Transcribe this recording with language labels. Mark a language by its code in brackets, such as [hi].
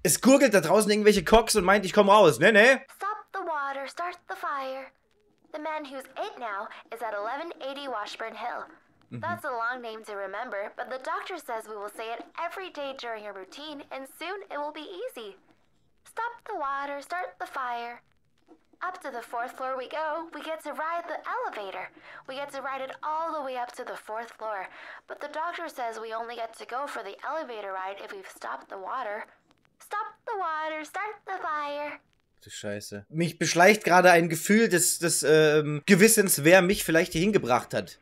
[de] Es gurgelt da draußen irgendwelche Cocks und meint, ich komm raus. Nee, nee. [en] Stop the water, start the fire. The man who's 8 now is at 1180 Washburn Hill. That's a long name to remember, but the doctor says we will say it every day during our routine and soon it will be easy. Stop the water, start the fire. Up to the fourth floor we go, we get to ride the elevator. We get to ride it all the way up to the fourth floor. But the doctor says we only get to go for the elevator ride if we've stopped the water. Stop the water, start the fire. [de] Du Scheiße. Mich beschleicht gerade ein Gefühl des Gewissens, wer mich vielleicht hier hingebracht hat.